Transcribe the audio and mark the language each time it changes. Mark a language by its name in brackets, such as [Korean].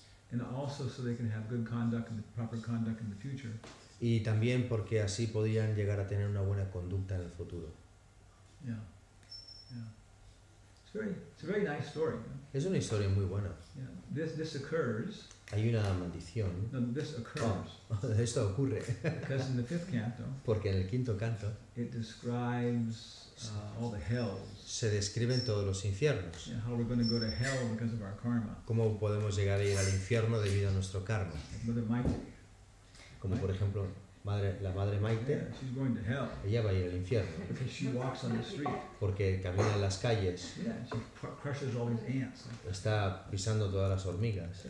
[English] And also so they can have good conduct and proper conduct in the future. [Spanish] Y también porque así podrían llegar a tener una buena conducta en el futuro. [English] Yeah. Yeah. It's a very nice story. [Spanish] Es una historia muy buena. [English] Yeah. This occurs. [Spanish] Hay una maldición. [English] No, this occurs. [Spanish] Oh, esto ocurre. [English] Because in the fifth canto. [Spanish] Porque en el quinto canto. [English] It describes all the hells. [Spanish] Se describen todos los infiernos. [English] Yeah, how we're going to go to hell because of our karma. [Spanish] Cómo podemos llegar a ir al infierno debido a nuestro karma. [English] Mother Maite. [Spanish] Como por ejemplo, la madre Maite. [English] Yeah, she's going to hell. [Spanish] Ella va a ir al infierno. [English] Because she walks on the street. [Spanish] Porque camina en las calles. [English] Yeah, she crushes all these ants. [Spanish] Está pisando todas las hormigas.